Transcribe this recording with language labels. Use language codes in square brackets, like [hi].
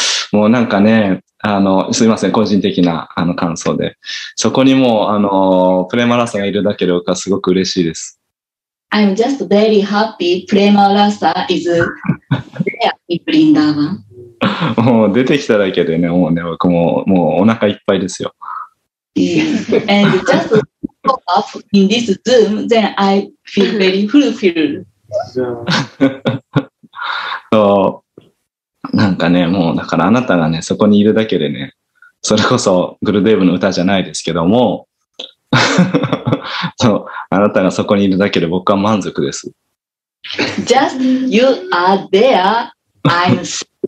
[ja] もうなんかね、すいません、個人的な感想で。そこにもう、プレマラサがいるだけで、僕はすごく嬉しいです。 [en] I'm just very happy プレマラサ is there in Vrindavan. [ja] もう出てきただけでね、もうね、僕もうお腹いっぱいですよ。 [en] Yes. And just pop up in this Zoom, then I feel very fulfilled. [ja] そう、なんかね、もうだからあなたがね、そこにいるだけでね、それこそグルデーブの歌じゃないですけども、そう、あなたがそこにいるだけで僕は満足です。 [en] Just you are there, I'm so.